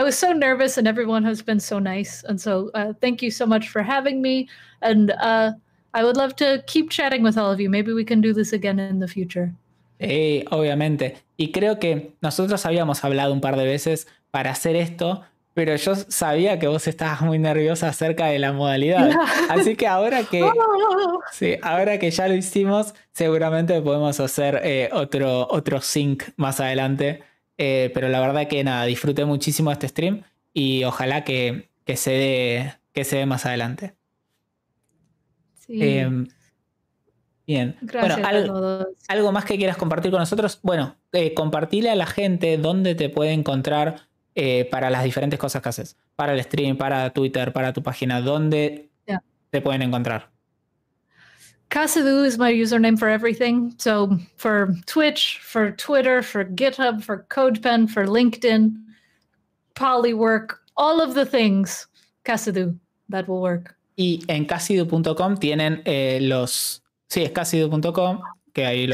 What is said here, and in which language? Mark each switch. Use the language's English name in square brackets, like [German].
[English] I was so nervous and everyone has been so nice. And so thank you so much for having me. And I would love to keep chatting with all of you. Maybe we can do this again in the future. [Spanish] Hey, obviamente. Y creo que nosotros habíamos hablado un par de veces para hacer esto, pero yo sabía que vos estabas muy nerviosa acerca de la modalidad. [English] Yeah. [Spanish] Así que ahora que ya lo hicimos, seguramente podemos hacer otro sync más adelante. Pero la verdad que nada, disfruté muchísimo este stream y ojalá que se dé más adelante. Sí. Bien. Gracias, bueno, a todos. ¿Algo más que quieras compartir con nosotros? Bueno, compartile a la gente dónde te puede encontrar para las diferentes cosas que haces, para el stream, para Twitter, para tu página, ¿dónde te pueden encontrar? [English] Cassidoo is my username for everything. So for Twitch, for Twitter, for GitHub, for CodePen, for LinkedIn, Polywork, all of the things, Cassidoo, that will work. [Spanish] Y en cassidoo.com tienen los... Sí, es cassidoo.com, que ahí lo